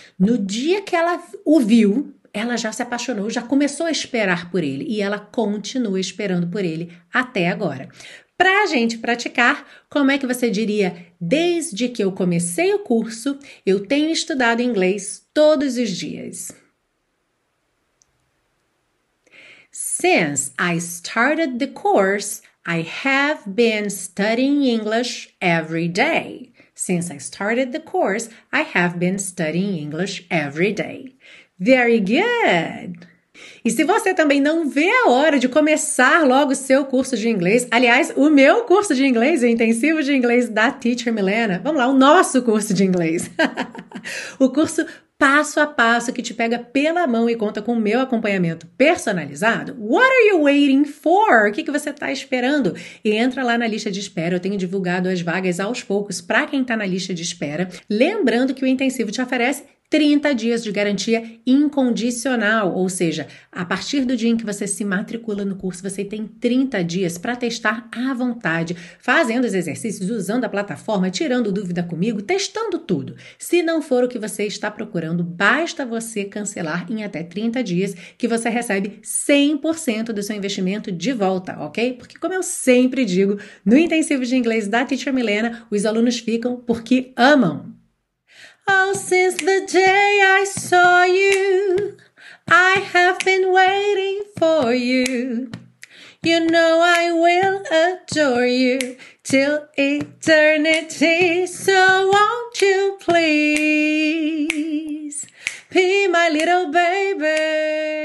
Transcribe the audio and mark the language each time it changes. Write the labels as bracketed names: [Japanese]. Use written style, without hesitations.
[Portuguese] No dia que ela o viu, ela já se apaixonou, já começou a esperar por ele e ela continua esperando por ele até agora. Para a gente praticar, como é que você diria, desde que eu comecei o curso, eu tenho estudado inglês todos os dias? [English] Since I started the course, I have been studying English every day. Since I started the course, I have been studying English every day. Very good! [Portuguese] E se você também não vê a hora de começar logo o seu curso de inglês, aliás, o meu curso de inglês, o intensivo de inglês da Teacher Milena, vamos lá, o nosso curso de inglês, o curso passo a passo que te pega pela mão e conta com o meu acompanhamento personalizado, [English] what are you waiting for? [Portuguese] O que, que você está esperando? E entra lá na lista de espera, eu tenho divulgado as vagas aos poucos para quem está na lista de espera, lembrando que o intensivo te oferece 30 dias de garantia incondicional, ou seja, a partir do dia em que você se matricula no curso, você tem 30 dias para testar à vontade, fazendo os exercícios, usando a plataforma, tirando dúvida comigo, testando tudo. Se não for o que você está procurando, basta você cancelar em até 30 dias que você recebe 100% do seu investimento de volta, ok? Porque como eu sempre digo, no intensivo de inglês da Teacher Milena, os alunos ficam porque amam. [English] Oh, since the day I saw you, I have been waiting for you. You know I will adore you till eternity. So won't you please be my little baby?